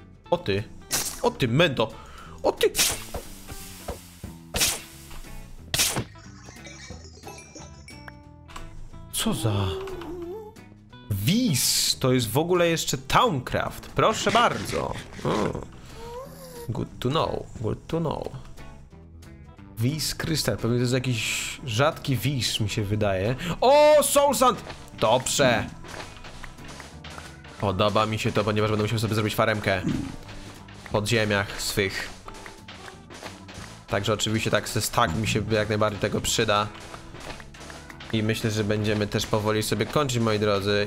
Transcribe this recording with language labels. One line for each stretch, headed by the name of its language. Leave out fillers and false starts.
Polish: O ty! O ty, Mendo! O ty! Co za... Wiz! To jest w ogóle jeszcze Towncraft! Proszę bardzo!
English: Good to know, good to know.
Polish: Wiz Crystal, pewnie to jest jakiś rzadki wiz, mi się wydaje. O, Soul Sand! Dobrze! Podoba mi się to, ponieważ będę musiał sobie zrobić faremkę pod ziemiach swych. Także oczywiście tak ze stack mi się jak najbardziej tego przyda. I myślę, że będziemy też powoli sobie kończyć, moi drodzy.